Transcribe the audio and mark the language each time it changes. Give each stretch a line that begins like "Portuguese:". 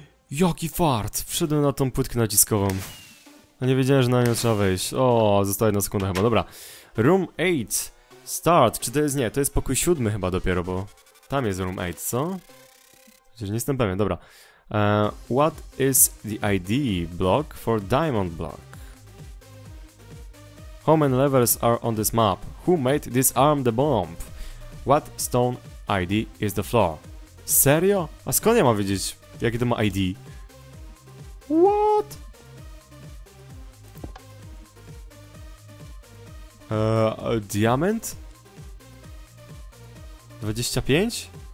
Polish: Jaki fart! Wszedłem na tą płytkę naciskową. A nie wiedziałem, że na nią trzeba wejść. O, została jedna sekunda chyba, dobra. Room 8. Start, czy to jest, nie, to jest pokój siódmy chyba dopiero, bo tam jest room 8, co? Przecież nie jestem pewien, dobra.
English: What is the ID block for diamond block? How many levels are on this map? Who made this arm the bomb? What stone ID is the floor?
Polish: Serio? A skąd ja mam wiedzieć, jakie to ma ID?
English: What? Diamond? 25?